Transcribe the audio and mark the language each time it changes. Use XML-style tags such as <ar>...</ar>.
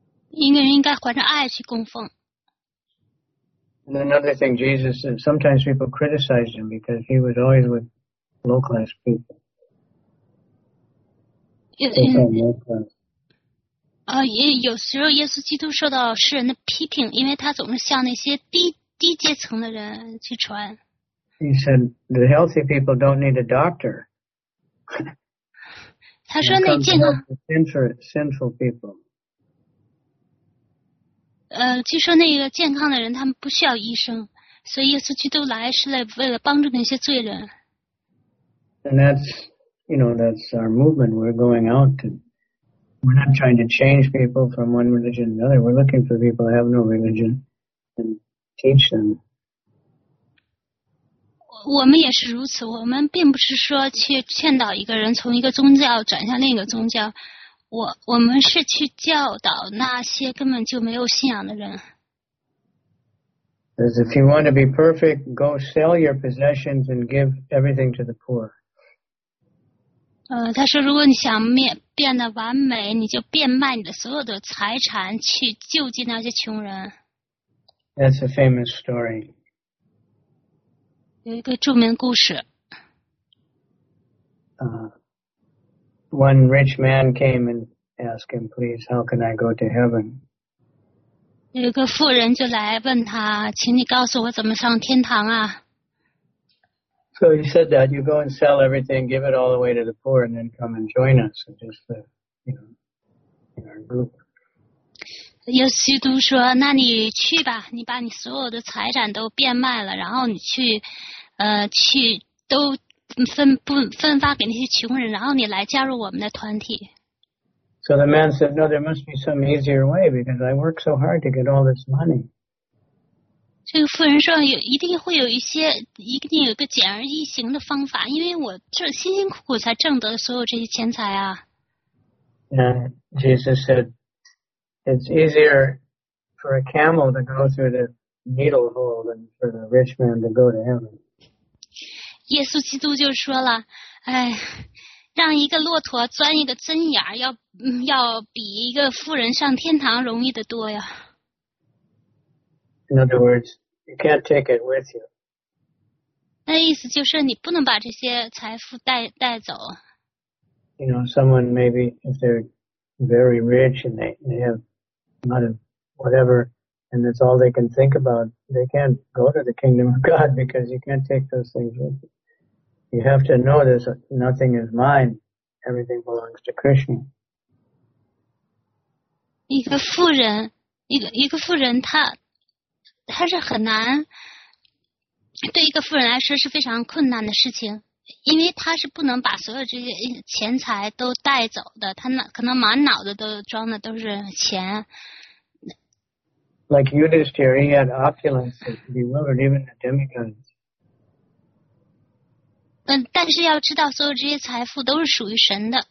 <zh>一个人应该怀着爱去供奉。</zh> <en>And another thing, Jesus said, sometimes people criticized him because he was always with low class people.</en> <zh>有时候耶稣基督受到世人的批评，因为他总是向那些低阶层的人去传。</zh> <en>He said, the healthy people don't need a doctor.</en> <zh>他说那健康</zh> <en>sinful people.</en> <zh>据说那个健康的人他们不需要医生，所以耶稣基督来是为了帮助那些罪人。</zh> <en>And that's, you know, that's our movement. We're going out to, we're not trying to change people from one religion to another. We're looking for people who have no religion and teach them.</en> <zh>我们也是如此，我们并不是说去劝导一个人从一个宗教转向另一个宗教，我们是去教导那些根本就没有信仰的人。</zh> <en>Because if you want to be perfect, go sell your possessions and give everything to the poor.</en> <zh>他说如果你想变得完美，你就变卖你的所有的财产去救济那些穷人。</zh> <en>That's a famous story.</en> <zh>有一个著名故事。</zh> <en>One rich man came and asked him, please, how can I go to heaven?</en> <zh>有一个富人就来问他，请你告诉我怎么上天堂啊。</zh> <en>So he said that you go and sell everything, give it all away to the poor, and then come and join us, just the, you know, in our group.</en> <zh>耶稣基督说那你去吧，你把你所有的财产都变卖了，然后你去去都分发给那些穷人，然后你来加入我们的团体。</zh> <en>So the man said, no, there must be some easier way because I work so hard to get all this money.</en> <zh>这个富人说一定会有一定有一个简而易行的方法，因为我这辛辛苦苦才挣得所有这些钱财啊。</zh> <en>And Jesus said,It's easier for a camel to go through the needle hole than for the rich man to go to heaven.</en> <zh>耶稣基督就说了，让一个骆驼钻一个针眼儿，要比一个富人上天堂容易得多呀。</zh> <en>In other words, you can't take it with you.</en> <zh>那意思就是你不能把这些财富带走。</zh> <en>You know, someone maybe if they're very rich and they have not a whatever, and that's all they can think about. They can't go to the kingdom of God because you can't take those things with you. You have to know this, nothing is mine. Everything belongs to Krishna.</en> <zh>一个富人他是很难，对一个富人来说是非常困难的事情。因为他是不能把所有这些钱财都带走的，他可能满脑子都装的都是钱。</zh> <en>Like Yudhishthira, he had opulence that bewildered even the demigods.</en> <zh>但是要知道，所有这些财富都是属于神的。</zh>